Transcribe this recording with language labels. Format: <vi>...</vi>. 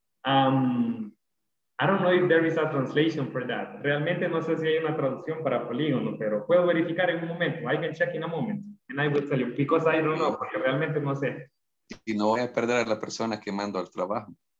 <en>I don't know if there is a translation for that.</en> <es>Realmente no sé si hay una traducción para polígono, pero puedo verificar en un momento.</es> <en>I can check in a moment. And I will tell you, because I don't know,</en> <es>porque realmente no sé. Y no voy a perder a la persona que mando al trabajo.</es>